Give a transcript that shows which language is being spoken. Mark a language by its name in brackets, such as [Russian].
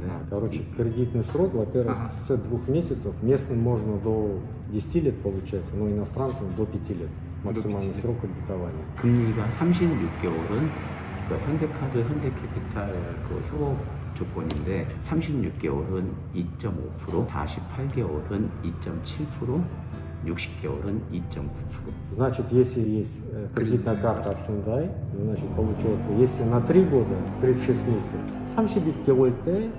[Russian] Короче, кредитный срок, во-первых, с 2 месяцев. Местным можно до 10 лет получается, но иностранцам до 5 лет. Максимальный срок кредитования. [Korean] 금리가 36개월은 현대카드, 현대캐피탈 협업 조건인데 36개월은 2.5%, 48개월은 2.7%. 60개월은 2.9%. [Russian] Значит, если есть кредитная карта от Hyundai, значит, получается, если на 3 года, 36 месяцев, [Korean] 36개월 때